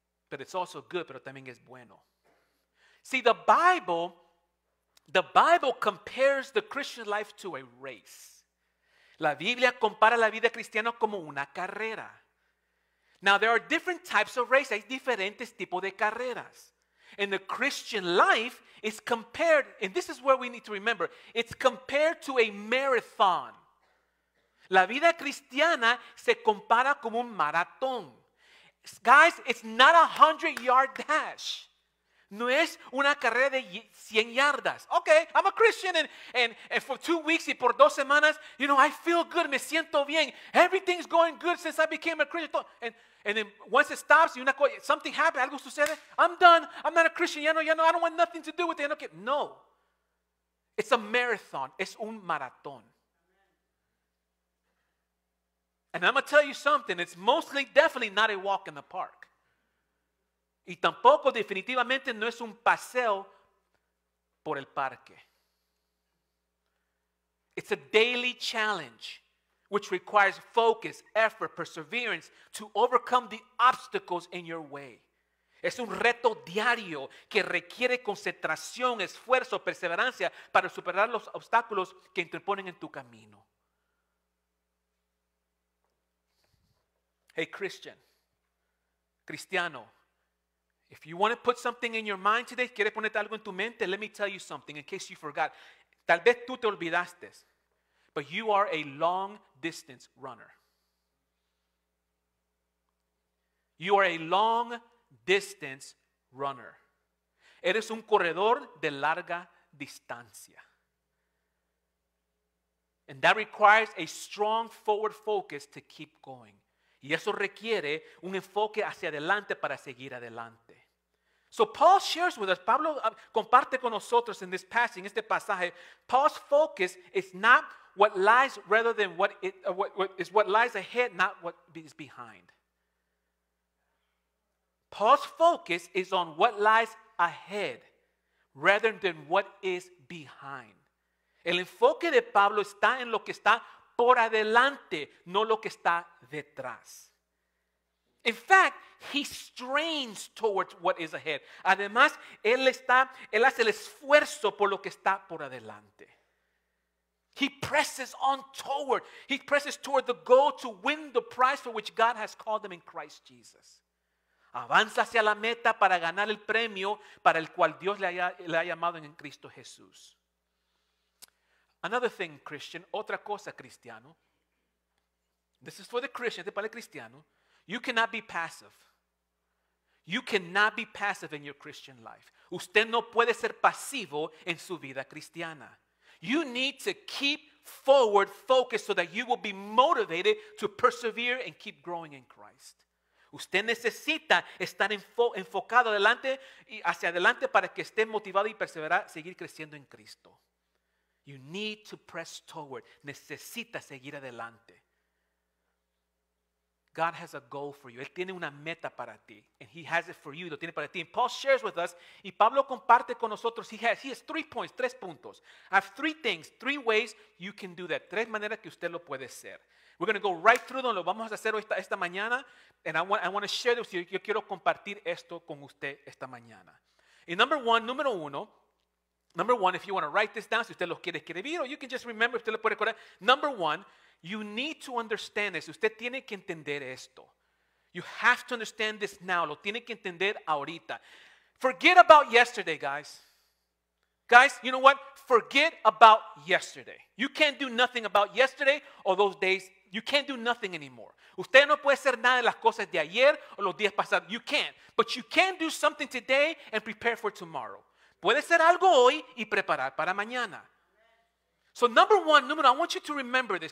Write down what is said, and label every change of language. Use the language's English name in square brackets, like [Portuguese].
[English] But it's also good, [Spanish] pero también es bueno. [English] See, the Bible compares the Christian life to a race. [Spanish] La Biblia compara la vida cristiana como una carrera. [English] Now, there are different types of races. [Spanish] Hay diferentes tipos de carreras. [English] And the Christian life is compared, and this is where we need to remember, it's compared to a marathon. [Spanish] La vida cristiana se compara como un maratón. [English] Guys, it's not a 100-yard dash. [Spanish] No es una carrera de 100 yardas. [English] Okay, I'm a Christian and for 2 weeks [Spanish] y por 2 semanas, [English] you know, I feel good, [Spanish] me siento bien. [English] Everything's going good since I became a Christian. And then once it stops, something happens, [Spanish] algo sucede. [English] I'm done. I'm not a Christian. I don't want nothing to do with it. Okay. No. It's a marathon. [Spanish] Es un maratón. [English] And I'm going to tell you something. It's mostly, definitely not a walk in the park. [Spanish] Y tampoco definitivamente no es un paseo por el parque. [English] It's a daily challenge which requires focus, effort, perseverance to overcome the obstacles in your way. [Spanish] Es un reto diario que requiere concentración, esfuerzo, perseverancia para superar los obstáculos que interponen en tu camino. [English] Hey, Cristiano. If you want to put something in your mind today, [Spanish] quieres ponerte algo en tu mente, [English] let me tell you something in case you forgot. [Spanish] Tal vez tú te olvidaste, [English] but you are a long distance runner. You are a long distance runner. [Spanish] Eres un corredor de larga distancia. [English] And that requires a strong forward focus to keep going. [Spanish] Y eso requiere un enfoque hacia adelante para seguir adelante. [English] So Paul shares with us, [Spanish] Pablo comparte con nosotros [English] in this passage, in [Spanish] este pasaje, [English] Paul's focus is not what lies rather than what lies ahead, not what is behind. Paul's focus is on what lies ahead rather than what is behind. [Spanish] El enfoque de Pablo está en lo que está por adelante, no lo que está detrás. [English] In fact, he strains towards what is ahead. [Spanish] Además, él hace el esfuerzo por lo que está por adelante. [English] He presses on toward. He presses toward the goal to win the prize for which God has called them in Christ Jesus. [Spanish] Avanza hacia la meta para ganar el premio para el cual Dios le ha llamado en Cristo Jesús. [English] Another thing, Christian, [Spanish] otra cosa, cristiano. [English] This is for the Christian, [Spanish] para el cristiano. [English] You cannot be passive. You cannot be passive in your Christian life. [Spanish] Usted no puede ser pasivo en su vida cristiana. [English] You need to keep forward focused so that you will be motivated to persevere and keep growing in Christ. [Spanish] Usted necesita estar enfocado adelante y hacia adelante para que esté motivado y perseverar, seguir creciendo en Cristo. [English] You need to press toward. [Spanish] Necesita seguir adelante. [English] God has a goal for you. [Spanish] Él tiene una meta para ti. [English] And he has it for you. [Spanish] Lo tiene para ti. [English] And Paul shares with us. [Spanish] Y Pablo comparte con nosotros. [English] He has 3 points. [Spanish] 3 puntos. [English] I have 3 things. 3 ways you can do that. [Spanish] 3 maneras que usted lo puede hacer. [English] We're going to go right through them. [Spanish] Lo vamos a hacer hoy esta mañana. [English] And I want to share this. [Spanish] Yo quiero compartir esto con usted esta mañana. [English] And number one, if you want to write this down, [Spanish] si usted lo quiere escribir, [English] or you can just remember, [Spanish] usted lo puede recordar. [English] Number one, you need to understand this. [Spanish] Usted tiene que entender esto. [English] You have to understand this now. [Spanish] Lo tiene que entender ahorita. [English] Forget about yesterday, guys. Guys, you know what? Forget about yesterday. You can't do nothing about yesterday or those days. You can't do nothing anymore. [Spanish] Usted no puede hacer nada de las cosas de ayer o los días pasados. [English] You can't. But you can do something today and prepare for tomorrow. [Spanish] Puede hacer algo hoy y preparar para mañana. [English] So number one, I want you to remember this.